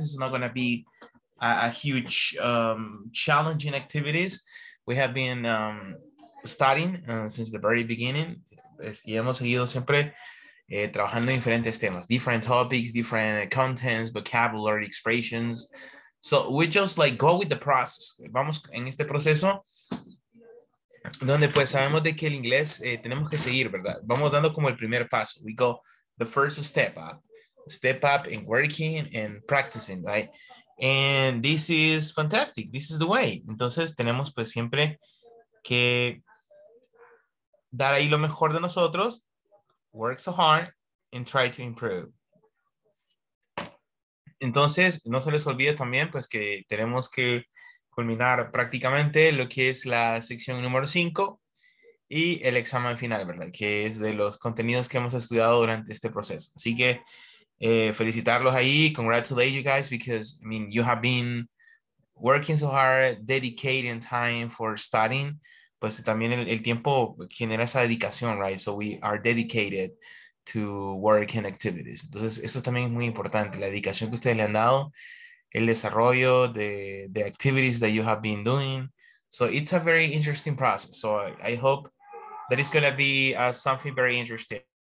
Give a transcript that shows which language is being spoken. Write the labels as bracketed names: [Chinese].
[English] It's not going to be a huge challenging activities. We have been studying since the very beginning. [Spanish] Y hemos seguido siempre trabajando diferentes temas, [English] different topics, different contents, vocabulary, expressions. So we just like go with the process. [Spanish] Vamos en este proceso donde pues sabemos de que el inglés tenemos que seguir, ¿verdad? Vamos dando como el primer paso. [English] We go the first step up and working and practicing, right? And this is fantastic. This is the way. [Spanish] Entonces tenemos pues siempre que dar ahí lo mejor de nosotros, [English] work so hard and try to improve. [Spanish] Entonces, no se les olvide también pues que tenemos que culminar prácticamente lo que es la sección número 5 y el examen final, ¿verdad? Que es de los contenidos que hemos estudiado durante este proceso. Así que felicitarlos ahí, [English] congratulate you guys, because I mean you have been working so hard, dedicating time for studying. [Spanish] Pues también el tiempo genera esa dedicación, right? [English] So we are dedicated to work and activities. [Spanish] Entonces, eso también es muy importante, la dedicación que ustedes le han dado, el desarrollo de [English] the activities that you have been doing. So it's a very interesting process. So I hope that it's going to be something very interesting.